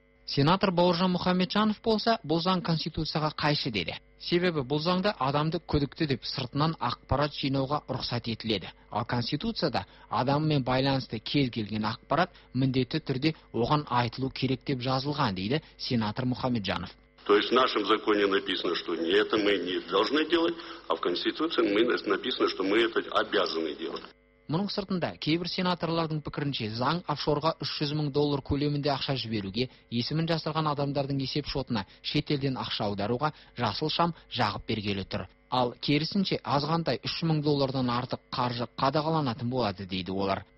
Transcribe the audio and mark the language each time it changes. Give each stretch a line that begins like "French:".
Kazakh: Сенатор Бауыржан Мұхамеджанов болса, бұл заң конституцияға қайшы, деді. Себебі бұл заңда адамды күдікті деп сыртынан ақпарат жинауға рұқсат етіледі. Ал конституцияда адаммен байланысты кез келген ақпарат міндетті түрде оған айтылу керек деп жазылған, дейді сенатор Мұхамеджанов.
Russian: То есть в нашем законе написано, что не это мы не должны делать, а в конституции мы написано, что мы это обязаны делать.
Kazakh: Мұның сыртында кейбір сенаторлардың пікірінше заң офшорға $300,000 көлемінде ақша жіберуге, есімін жасырған адамдардың есеп шотына шетелден ақша аударуға жасыл шам жағып бергелі тұр. Ал керісінше азғантай $3,000 артық қаржы қадағаланатын болады дейді олар.